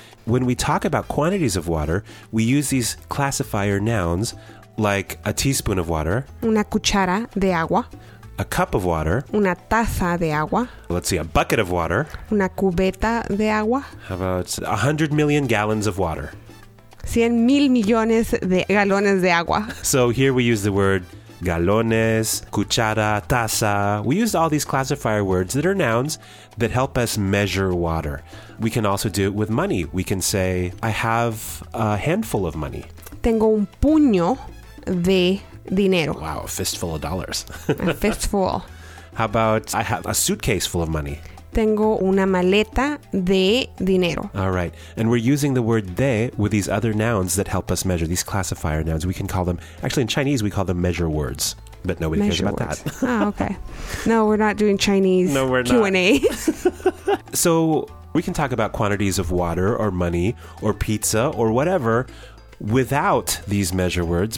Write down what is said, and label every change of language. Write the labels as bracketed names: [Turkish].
[English] When we talk about quantities of water, we use these classifier nouns like a teaspoon of water. [Spanish] Una cuchara de agua. [English] A cup of water. [Spanish] Una taza de agua. [English] Let's see, a bucket of water. [Spanish] Una cubeta de agua. [English] How about 100 million gallons of water? [Spanish] 100 mil millones de galones de agua. [English] So here we use the word galones, cuchara, taza. We use all these classifier words that are nouns that help us measure water. We can also do it with money. We can say, I have a handful of money. [Spanish] Tengo un puño de dinero. [English] Wow, a fistful of dollars. A fistful. How about, I have a suitcase full of money. [Spanish] Tengo una maleta de dinero. [English] All right. And we're using the word de with these other nouns that help us measure, these classifier nouns. We can call them, actually in Chinese, we call them measure words. But nobody measure cares about words. That. Oh, okay. No, we're not doing Chinese no, we're Q&A. Not. So we can talk about quantities of water or money or pizza or whatever without these measure words.